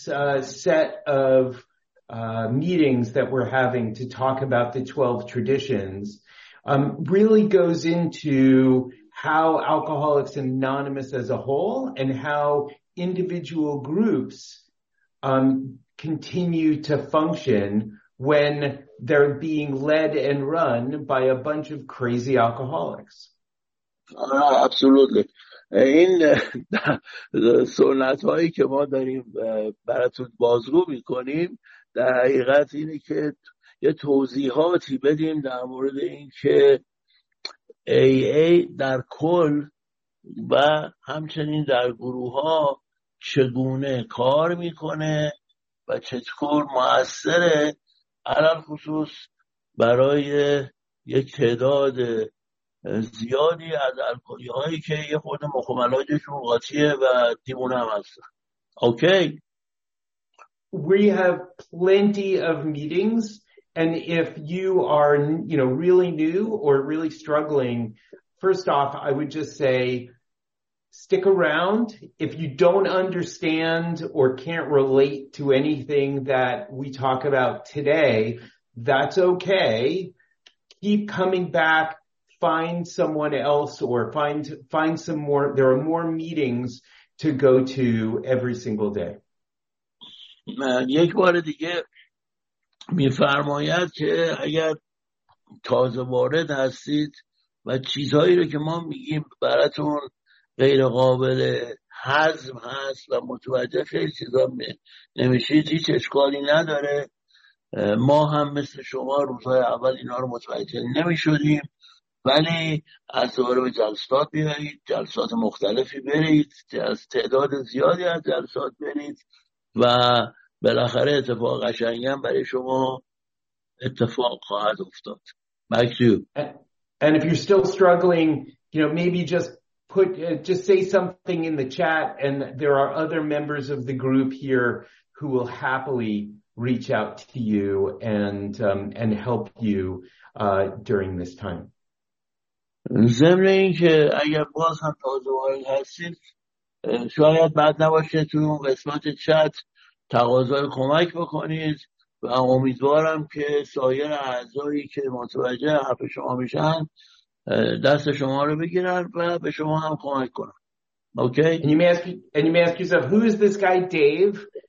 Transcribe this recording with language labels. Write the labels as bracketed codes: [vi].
[en] Meetings that we're having to talk about the 12 traditions really goes into how Alcoholics Anonymous as a whole and how individual groups continue to function when they're being led and run by a bunch of crazy alcoholics. Absolutely. [fa] این سنت هایی که ما داریم براتون بازگو می کنیم در حقیقت اینه که یه توضیحاتی بدیم در مورد این که AA در کل و همچنین در گروه ها چگونه کار میکنه و چطور مؤثره، علل خصوص برای یک تعداد زیادی از الکلی هایی که یه خود مخملاجشون قاطیه و دیمونه هم هستن. [en] Okay? We have plenty of meetings, and if you are, you know, really new or really struggling, first off, I would just say, stick around. If you don't understand or can't relate to anything that we talk about today, that's okay. Keep coming back, find someone else, or find some more. There are more meetings to go to every single day. [fa] من یک بار دیگه میفرماید که اگر تازه وارد هستید و چیزهایی رو که ما میگیم براتون غیر قابل هضم هست و متوجه خیلی چیزا نمیشید، هیچ اشکالی نداره. ما هم مثل شما روزهای اول اینا رو متوجه نمیشدیم، ولی از دوباره به جلسات بیایید، جلسات مختلفی برید، از تعداد زیادی از جلسات برید و بالاخره اتفاق قشنگی هم برای شما اتفاق خواهد افتاد. [en] Back to you. And if you're still struggling, you know, maybe just say something in the chat, and there are other members of the group here who will happily reach out to you and help you during this time. [fa] ضمن اینکه اگر باز هم تازه‌وارد هستید، شاید بد نباشه تو قسمت چت تقاضای کمک بکنید و امیدوارم که سایر اعضایی که متوجه حرف شما میشن دست شما رو بگیرن و به شما هم کمک کنن. [en] Okay? And you may ask yourself, who is this guy Dave?